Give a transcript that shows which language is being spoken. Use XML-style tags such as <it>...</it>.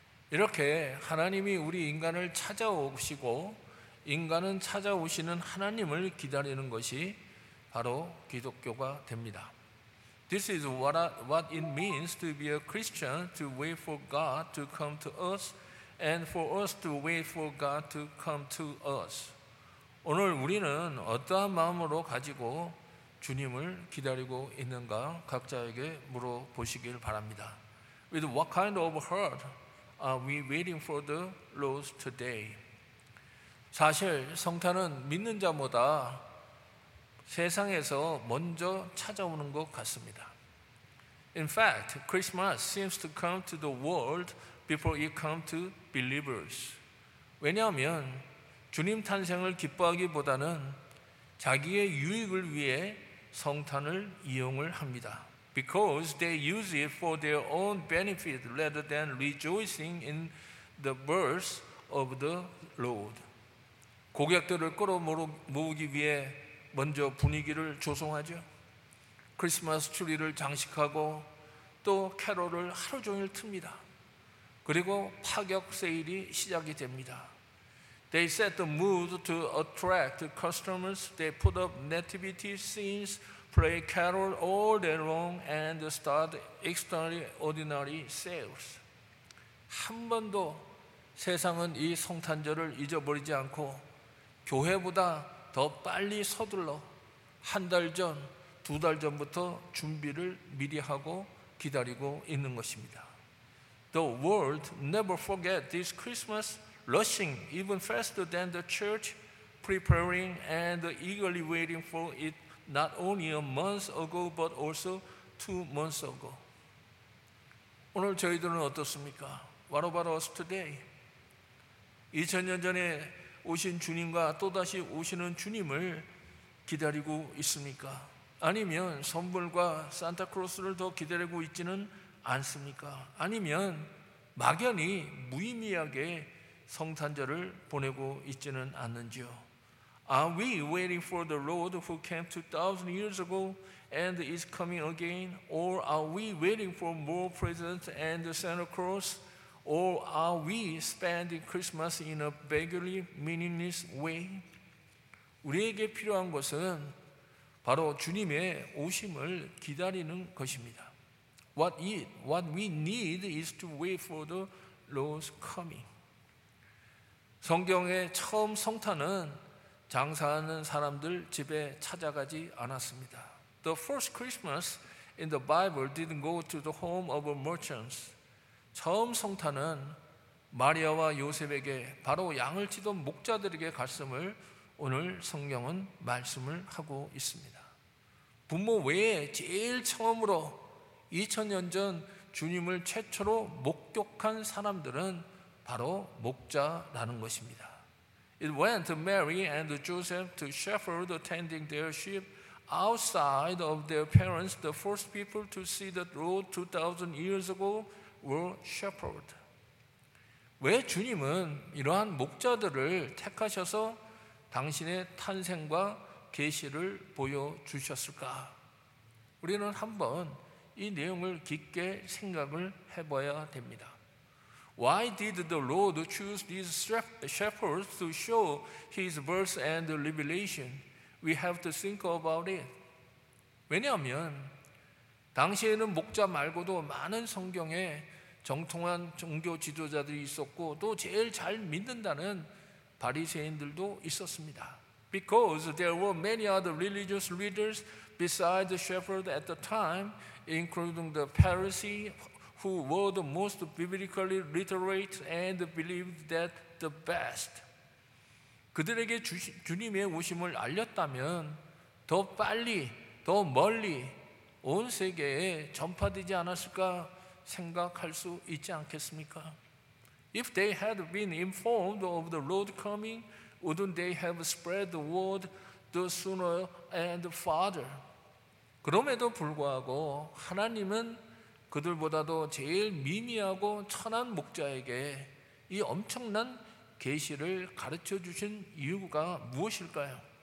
<ko>이렇게 하나님이 우리 인간을 찾아오시고 인간은 찾아오시는 하나님을 기다리는 것이 바로 기독교가 됩니다.</ko> <en>This is what it means to be a Christian, to wait for God to come to us and for us to wait for God to come to us.</en> <ko>오늘 우리는 어떠한 마음으로 가지고 주님을 기다리고 있는가 각자에게 물어보시길 바랍니다.</ko> <en>With what kind of heart are we waiting for the Lord today?</en> <ko>사실 성탄은 믿는 자보다 세상에서 먼저 찾아오는 것 같습니다.</ko> <en>In fact, Christmas seems to come to the world before it comes to believers.</en> <ko>왜냐하면 주님 탄생을 기뻐하기보다는 자기의 유익을 위해 성탄을 이용을 합니다.</ko> <en>Because they use it for their own benefit rather than rejoicing in the birth of the Lord.</en> <ko>고객들을 끌어모으기 위해 먼저 분위기를 조성하죠. 크리스마스 트리를 장식하고 또 캐롤을 하루 종일 틉니다. 그리고 파격 세일이 시작이 됩니다.</ko> <en>They set the mood to attract customers. They put up nativity scenes, play carol all day long, and start extraordinary sales.</en> <ko>한 번도 세상은 이 성탄절을 잊어버리지 않고 교회보다 더 빨리 서둘러 한 달 전, 두 달 전부터 준비를 미리 하고 기다리고 있는 것입니다.</ko> <en>The world never forget this Christmas rushing even faster than the church preparing and eagerly waiting for it not only a month ago but also 2 months ago.</en> <ko>오늘 저희들은 어떻습니까?</ko> <en>What about us today?</en> <ko>2000년 전에 오신 주님과 또다시 오시는 주님을 기다리고 있습니까? 아니면 선물과 산타클로스를 더 기다리고 있지는 않습니까? 아니면 막연히 무의미하게 성탄절을 보내고 있지는 않는지요?</ko> <en>Are we waiting for the Lord who came 2,000 years ago and is coming again? Or are we waiting for more presents and the Santa Claus? Or are we spending Christmas in a vaguely meaningless way?</en> <ko>우리에게 필요한 것은 바로 주님의 오심을 기다리는 것입니다.</ko> <en>What we need is to wait for the Lord's coming.</en> <ko>성경의 처음 성탄은 장사하는 사람들 집에 찾아가지 않았습니다.</ko> <en>The first Christmas in the Bible didn't go to the home of merchants.</en> <ko>처음 성탄은 마리아와 요셉에게 바로 양을 치던 목자들에게 갔음을 오늘 성경은 말씀을 하고 있습니다. 부모 외에 제일 처음으로 2000년 전 주님을 최초로 목격한 사람들은 바로 목자라는 것입니다.</ko> <en>It went to Mary and Joseph to shepherd attending their sheep outside of their parents, the first people to see the Lord 2,000 years ago. were shepherd.</en> <ko>왜 주님은 이러한 목자들을 택하셔서 당신의 탄생과 계시를 보여 주셨을까? 우리는 한번 이 내용을 깊게 생각을 해 봐야 됩니다.</ko> <en>Why did the Lord choose these shepherds to show his birth and revelation? We have to think about it.</en> <ko>왜냐하면 당시에는 목자 말고도 많은 성경에 정통한 종교 지도자들이 있었고 또 제일 잘 믿는다는 바리새인들도 있었습니다.</ko> <en>Because there were many other religious leaders besides the shepherd at the time, including the Pharisees, who were the most biblically literate and believed that the best.</en> <ko>그들에게 주님의 오심을 알렸다면 더 빨리, 더 멀리 온 세계에 전파되지 않았을까? 생각할 수 있지 않겠습니까?</ko> <en>If they had been informed of the Lord coming, wouldn't they have spread the word the sooner and farther?</en> <ko>그럼에도 불구하고 하나님은 그들보다도 제일 미미하고 천한 목자에게 이 엄청난 계시를 가르쳐 주신 이유가 무엇일까요?</ko>